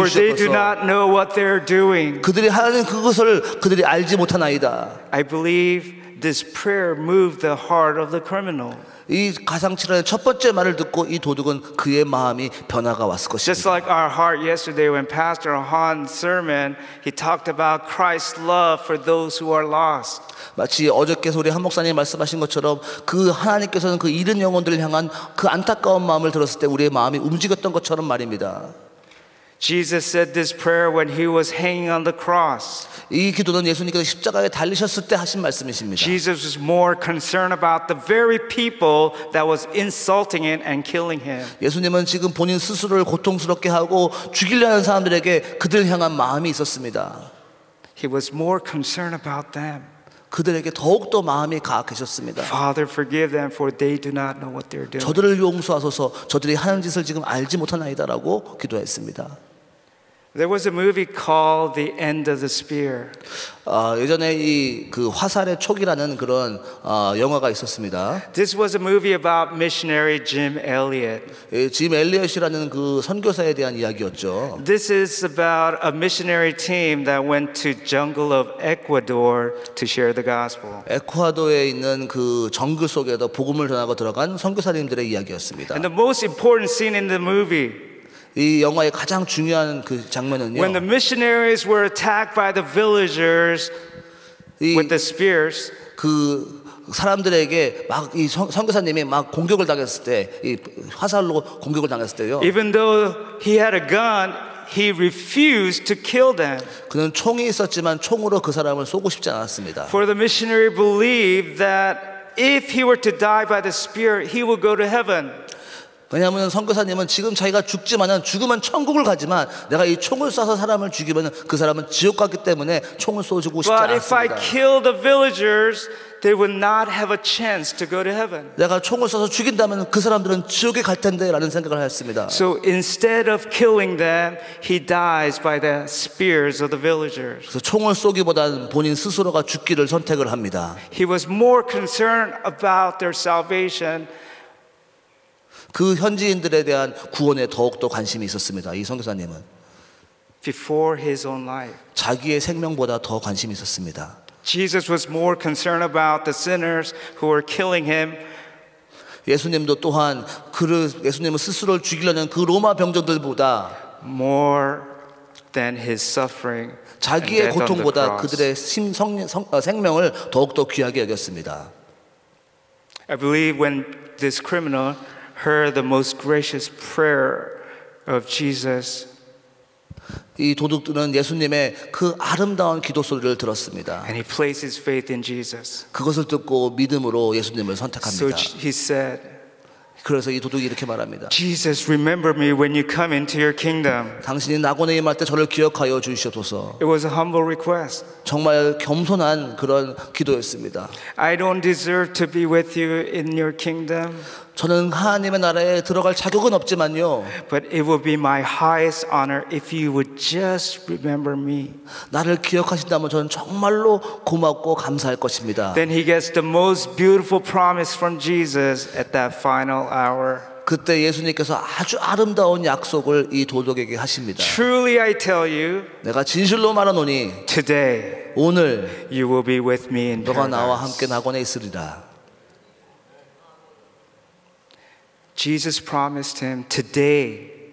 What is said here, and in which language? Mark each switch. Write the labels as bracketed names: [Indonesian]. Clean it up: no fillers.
[English] For they do not know what they're doing. [Korean] 그들이 하는 그것을 그들이 알지 못하나이다. [English] I believe this prayer moved the heart of the criminal. [Korean] 이 가상치료의 첫 번째 말을 듣고 이 도둑은 그의 마음이 변화가 왔을 것입니다. [English] Just like our heart yesterday when Pastor Han's sermon, he talked about Christ's love for those who are lost. [Korean] 마치 어저께 우리 한 목사님 말씀하신 것처럼 그 하나님께서는 그 잃은 영혼들을 향한 그 안타까운 마음을 들었을 때 우리의 마음이 움직였던 것처럼 말입니다. [English] Jesus said this prayer when he was hanging on the cross. [Korean] 이 기도는 예수님께서 십자가에 달리셨을 때 하신 말씀이십니다. [English] Jesus was more concerned about the very people that was insulting him and killing him. [Korean] 예수님은 지금 본인 스스로를 고통스럽게 하고 죽이려는 사람들에게 그들 향한 마음이 있었습니다. [English] He was more concerned about them. [Korean] 그들에게 더욱더 마음이 가악해졌습니다. [English] Father, forgive them, for they do not know what they're doing. [Korean] 저들을 용서하소서. 저들이 하는 짓을 지금 알지 못하나이다라고 기도했습니다. [English] There was a movie called The End of the Spear. [Korean] 예전에 이 그 화살의 촉이라는 그런 영화가 있었습니다. [English] This was a movie about missionary Jim Elliot. [Korean] 짐 엘리엇이라는 그 선교사에 대한 이야기였죠. [English] This is about a missionary team that went to jungle of Ecuador to share the gospel. [Korean] 에콰도르에 있는 그 정글 속에서 복음을 전하고 들어간 선교사님들의 이야기였습니다. [English] And the most important scene in the movie [Korean] 이 영화의 가장 중요한 그 장면은요. [English] When the missionaries were attacked by the villagers with the spears, [Korean] 그 사람들에게 막 이 선교사님이 막 공격을 당했을 때, 이 화살로 공격을 당했을 때요. [English] Even though he had a gun, he refused to kill them. [Korean] 그는 총이 있었지만 총으로 그 사람을 쏘고 싶지 않았습니다. [English] For the missionary believed that if he were to die by the spear, he would go to heaven. [Korean] 왜냐하면 선교사님은 지금 자기가 죽지만은 죽으면 천국을 가지만 내가 이 총을 쏴서 사람을 죽이면 그 사람은 지옥 갔기 때문에 총을 쏘고 싶지 않습니다. [English] But if I kill the villagers, they would not have a chance to go to heaven. [Korean] 내가 총을 쏴서 죽인다면 그 사람들은 지옥에 갈 텐데라는 생각을 했습니다. [English] So instead of killing them, he dies by the spears of the villagers. [Korean] 그래서 총을 쏘기보다는 본인 스스로가 죽기를 선택을 합니다. [English] He was more concerned about their salvation. [Korean] 그 현지인들에 대한 구원에 더욱더 관심이 있었습니다. 이 선교사님은 [English] Before his own life. [Korean] 자기의 생명보다 더 관심이 있었습니다. [English] Jesus was more concerned about the sinners who were killing him. [Korean] 예수님도 또한 예수님은 스스로를 죽이려는 그 로마 병정들보다 [English] more than his suffering. [Korean] 자기의 고통보다 그들의 생명을 더욱더 귀하게 여겼습니다. [English] I believe when this criminal heard the most gracious prayer of Jesus. [Korean] 이 도둑들은 예수님의 그 아름다운 기도 소리를 들었습니다. [English] And he placed his faith in Jesus. [Korean] 그것을 듣고 믿음으로 예수님을 선택합니다. [English] So he said. [Korean] 그래서 이 도둑이 이렇게 말합니다. [English] Jesus, remember me when you come into your kingdom. [Korean] 당신이 낙원에 임할 때 저를 기억하여 주시옵소서. [English] It was a humble request. [Korean] 정말 겸손한 그런 기도였습니다. [English] I don't deserve to be with you in your kingdom. [Korean] 저는 하나님의 나라에 들어갈 자격은 없지만요. [English] But it would be my highest honor if you would just remember me. [Korean] 나를 기억하신다면 저는 정말로 고맙고 감사할 것입니다. [English] Then he gets the most beautiful promise from Jesus at that final hour. [Korean] 그때 예수님께서 아주 아름다운 약속을 이 도둑에게 하십니다. [English] Truly I tell you, [Korean] 내가 진실로 말하노니, [English] today, [Korean] 오늘, [English] you will be with me in paradise. [Korean] 너가 나와 함께 낙원에 있으리라. [English] Jesus promised him today.